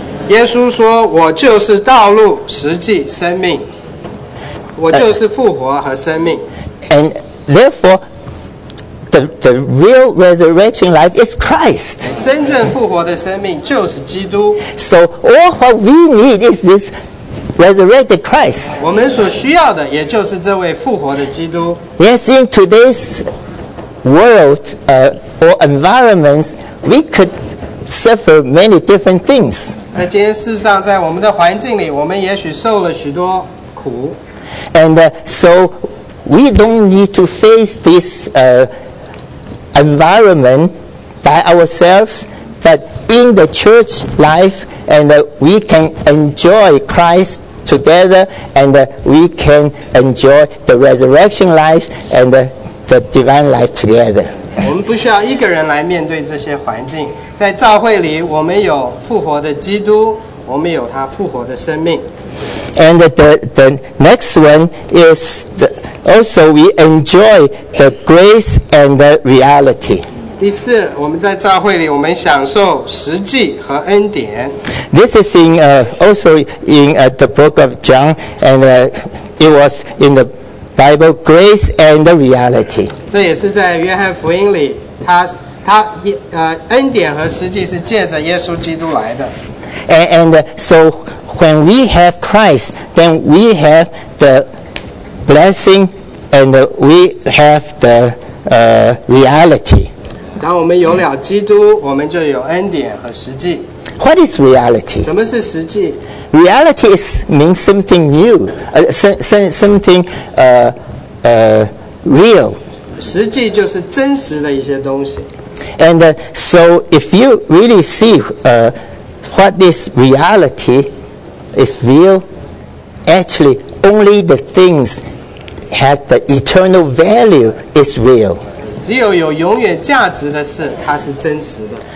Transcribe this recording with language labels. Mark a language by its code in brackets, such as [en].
[zh] 耶稣说，我就是道路、实际、生命。我就是复活和生命。 [en] And therefore, the real resurrection life is Christ. [zh] 真正复活的生命就是基督。 [en] So all what we need is this resurrected Christ. [zh] 我们所需要的也就是这位复活的基督。 [en] Yes, in today's world, or environments, we could suffer many different things. [zh] 在今天世上，在我们的环境里，我们也许受了许多苦。 [en] And so. We don't need to face this environment by ourselves, but in the church life, and we can enjoy Christ together, and we can enjoy the resurrection life and the divine life together. [zh] 我们不需要一个人来面对这些环境。在教会里，我们有复活的基督，我们有他复活的生命。 [en] And the next one is the, also we enjoy the grace and the reality. [zh] 第四，我们在教会里，我们享受实际和恩典。 [en] This is in also in the book of John, and it was in the Bible, grace and the reality. [zh] 这也是在约翰福音里，他恩典和实际是借着耶稣基督来的。 [en] And so when we have Christ, then we have the blessing and we have the reality. [zh] 当我们有了基督，我们就有恩典和实际。 [en] What is reality? [zh] 什么是实际？ [en] Reality is, means something new, something real. [zh] 实际就是真实的一些东西。 [en] And so if you really see what is reality is real, actually only the things have the eternal value is real. [zh] 只有有永远价值的事，它是真实的。